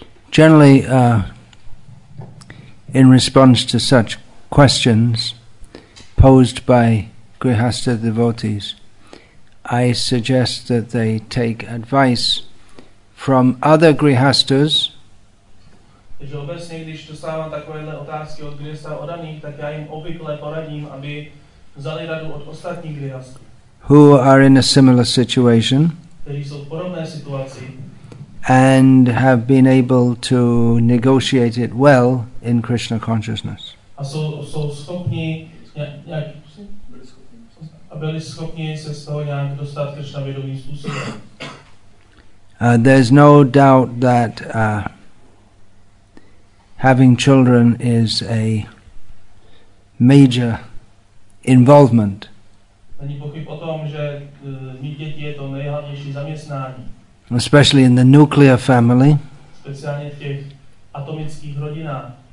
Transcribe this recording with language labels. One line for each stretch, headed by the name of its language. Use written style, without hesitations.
English: Generally, in response to such questions posed by Grihastha devotees, I suggest that they take advice from other Grihasthas.
Czech: Takže obecně, když dostávám takovéhle otázky od Grihastha odaných, tak já jim obvykle poradím, aby vzali radu od ostatních Grihasthů.
English: Who are in a similar situation?
Czech: Kteří jsou v podobné situaci.
English: And have been able to negotiate it well in Krishna consciousness.
Czech: A jsou schopni, byli schopni se z toho nějak dostat Krishna vědomým způsobem.
English: There's no doubt that having children is a major involvement.
Czech: Není pochyb o tom, že mít děti je to nejhlavnější zaměstnání.
English: Especially in the nuclear family,
Czech: speciálně v těch atomických rodinách,